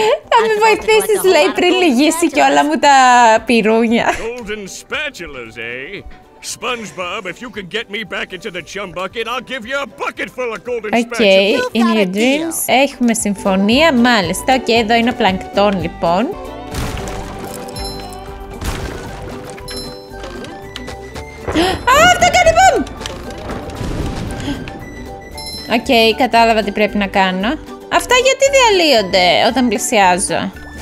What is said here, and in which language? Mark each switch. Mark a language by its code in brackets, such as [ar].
[el] Θα με βοηθήσεις, λέει, πριν λυγίσει και όλα μου τα πυρούνια. [en] Golden spatulas, eh? SpongeBob, if you can get me back into the chum bucket, I'll give you a bucket full of golden spatulas. Okay, in your dreams. [el] Έχουμε συμφωνία, μάλιστα. Okay, εδώ είναι ο πλανκτόν, λοιπόν. Α, αυτό κάνει μπομ! Okay, κατάλαβα τι πρέπει να κάνω. Αυτά γιατί διαλύονται όταν πλησιάζω?